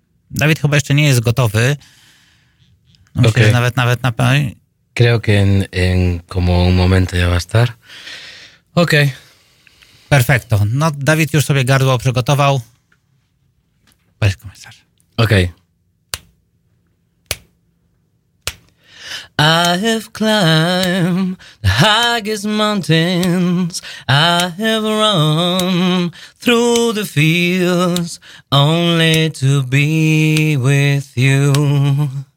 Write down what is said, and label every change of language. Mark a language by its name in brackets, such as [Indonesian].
[Polish] Dawid chyba jeszcze nie jest gotowy. Myślę, okay. Że nawet na pewno. [Spanish] Creo que en como un momento ya va a estar. Okej. Okay. Perfecto. [Polish] No, Dawid już sobie gardło przygotował. [Spanish] Puedes comenzar. Okej. [English] Okay. I have climbed the highest mountains. I have run through the fields only to be with you.